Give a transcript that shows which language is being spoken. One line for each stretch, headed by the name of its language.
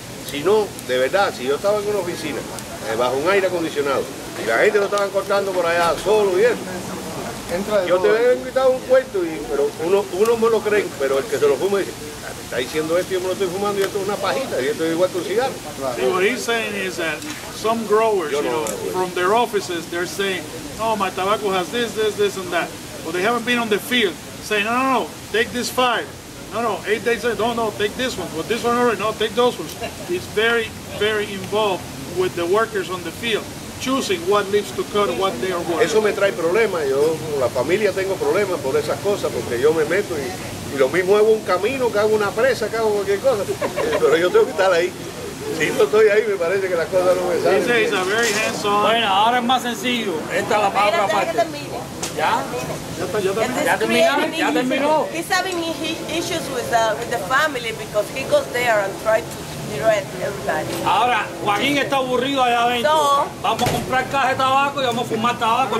Spanish: Si no, de verdad, si yo estaba en una oficina, bajo un aire acondicionado, y la gente lo estaban cortando por allá solo y eso, yo te había invitado a un cuento, y, pero uno me lo creen, pero el que se lo fuma dice, está diciendo esto, yo me lo estoy fumando y esto es una pajita y esto es igual que un cigarro.
English: See, what he's saying is that some growers, you know, from their offices, they're saying, oh, my tobacco has this, this, this and that. But they haven't been on the field saying, no, no, no, take this five. No, no, 8 days later, no, no, take this one. But this one already, no, take those ones. He's very, very involved with the workers on the field, choosing what leaves to cut, what they are worth.
Spanish: Eso me trae problemas. Yo, la familia, tengo problemas por esas cosas, porque yo me meto y lo mismo hago un camino, que hago una presa, que hago cualquier cosa. Pero yo tengo que estar ahí. Si no estoy ahí, me parece que las cosas no me salen. Dice,
English: he's a very hands-on.
Spanish: Bueno, ahora es más sencillo. Esta es la palabra aparte.
English: Yeah. He's having issues with the family because he goes there and tries to direct everybody.
Spanish: Ahora, Joaquín está aburrido allá adentro.
English: So,
Spanish: vamos a comprar caja de tabaco y vamos a fumar tabaco.